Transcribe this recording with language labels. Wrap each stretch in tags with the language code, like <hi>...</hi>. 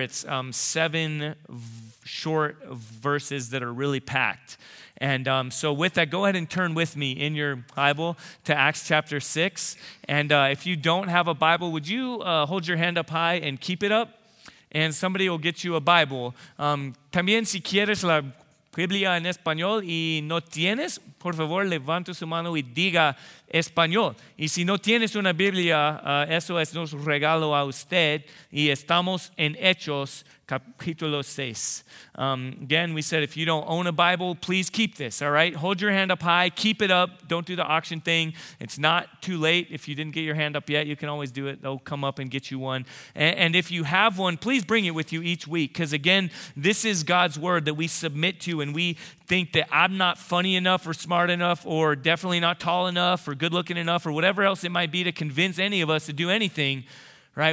<en>It's seven short verses that are really packed. And so with that, go ahead and turn with me in your Bible to Acts chapter 6. And if you don't have a Bible, would you hold your hand up high and keep it up? And somebody will get you a Bible.</en> <es>También si quieres la Biblia en español y no tienes, por favor, levanta su mano y diga español. Y si no tienes una Biblia, eso es nuestro regalo a usted. Y estamos en Hechos, capítulo 6.</es> <en>Again, we said, if you don't own a Bible, please keep this, all right? Hold your hand up high. Keep it up. Don't do the auction thing. It's not too late. If you didn't get your hand up yet, you can always do it. They'll come up and get you one. And if you have one, please bring it with you each week. Because again, this is God's word that we submit to. And we think that I'm not funny enough or smart enough or definitely not tall enough or good looking enough or whatever else it might be to convince any of us to do anything, right?</en>